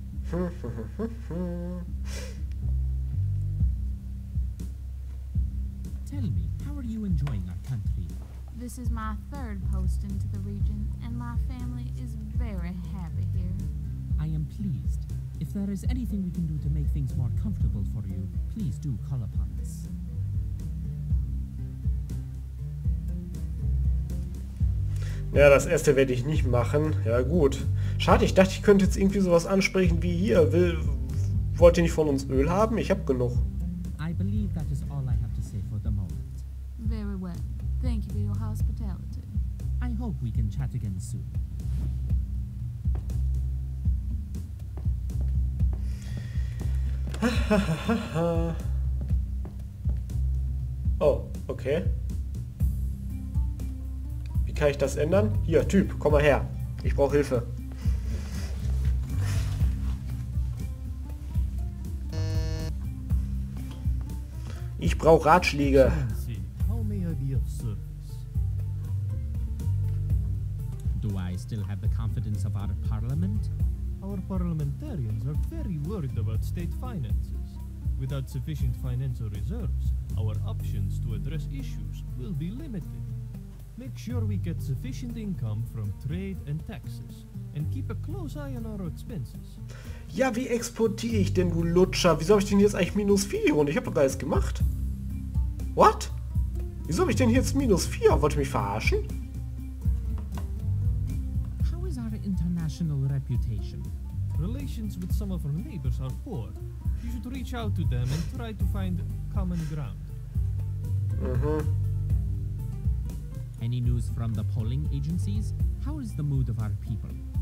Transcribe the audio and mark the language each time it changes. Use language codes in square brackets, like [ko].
[en] Tell me, how are you enjoying our country? This is my third post into the region, and my family is very happy here. I am pleased. If there is anything we can do to make things more comfortable for you, please do call upon us. [de] Ja, das erste werde ich nicht machen. Ja gut. Schade, ich dachte, ich könnte jetzt irgendwie sowas ansprechen wie hier. Wollt ihr nicht von uns Öl haben? Ich habe genug. [en] I believe that is all I have to say for the moment. Very well. Thank you for your hospitality. I hope we can chat again soon. Oh, okay. [de] Wie kann ich das ändern? Hier, Typ, komm mal her. Ich brauche Hilfe. Ich brauche Ratschläge. [en] How may I be of service? Do I still have the confidence of our parliament? Our parliamentarians are very worried about state finances. Without sufficient financial reserves, our options to address issues will be limited. Make sure we get sufficient income from trade and taxes and keep a close eye on our expenses. [de] Ja, wie exportiere ich denn, du Lutscher? Wieso habe ich denn jetzt eigentlich minus 4 hier? Und ich habe doch gar nichts gemacht. What? Wieso habe ich denn jetzt minus 4? Wollt ihr mich verarschen? [en] How is our international reputation? Relations with some of our neighbors are poor. You should reach out to them and try to find common ground. Mhm. Any news from the polling agencies? How is the mood of our people?